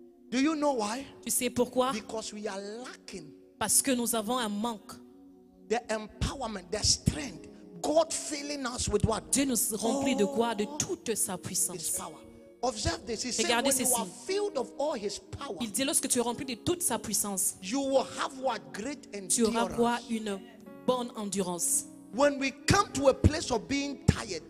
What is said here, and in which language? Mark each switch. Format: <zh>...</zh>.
<en>Do you know why?</en> <fr>Tu sais pourquoi?</fr> <en>Because we are lacking.</en> <fr>Parce que nous avons un manque.</fr> <en>The empowerment, the strength, God filling us with what?</en> <fr>Dieu nous remplit de quoi? De toute sa puissance.</fr> <en>His power. Observe this. He</en> <fr>regardez</fr> <en>said,</en> <fr>ceci.</fr> <en>When you are filled of all His power,</en> <fr>il dit lorsque tu es rempli de toute sa puissance,</fr> <en>you will have what great endurance.</en> <fr>Tu auras quoi? Une bonne endurance.</fr> <en>When we come to a place of being tired,</en>